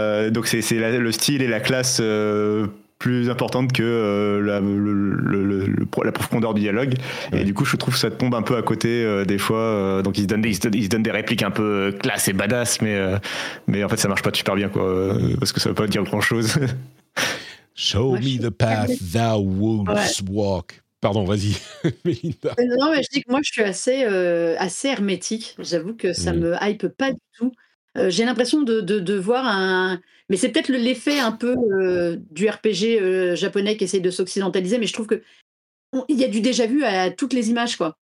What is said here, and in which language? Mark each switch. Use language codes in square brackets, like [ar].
[fr] Donc, c'est le style et la classe. Plus importante que la profondeur du dialogue. Ouais. Et du coup, je trouve que ça tombe un peu à côté des fois. Donc, ils se donnent des répliques un peu classe et badass, mais en fait, ça marche pas super bien, quoi. Parce que ça veut pas dire grand chose. [en] Show me the path thou wouldst walk. [fr] Pardon, vas-y, Mélinda. Non, mais je dis que moi, je suis assez, assez hermétique. J'avoue que ça me hype pas du tout. J'ai l'impression de voir un... Mais c'est peut-être l'effet un peu du RPG japonais qui essaie de s'occidentaliser, mais je trouve que il y a du déjà-vu à toutes les images, quoi.